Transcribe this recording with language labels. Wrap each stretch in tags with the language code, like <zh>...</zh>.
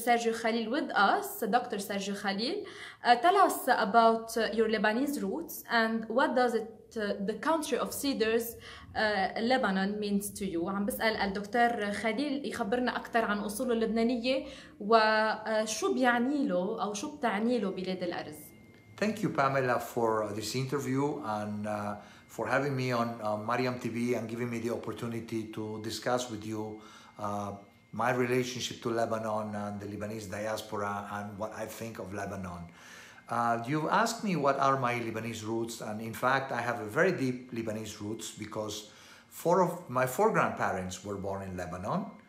<en>Sergio Khalil, with us. Dr. Sergio Khalil, tell us about your Lebanese roots and what does it, the country of cedars, Lebanon, means to you.</en> <ar>عم بسأل الدكتور خليل يخبرنا أكثر عن أصوله اللبنانية وشو بيعني له أو شو بتعني له بلاد الأرز.</ar> <en>Thank you, Pamela, for this interview and for having me on Mariam TV and giving me the opportunity to discuss with you my relationship to Lebanon and the Lebanese diaspora and what I think of Lebanon. You asked me what are my Lebanese roots, and in fact, I have a very deep Lebanese roots because four of my four grandparents were born in Lebanon.</en>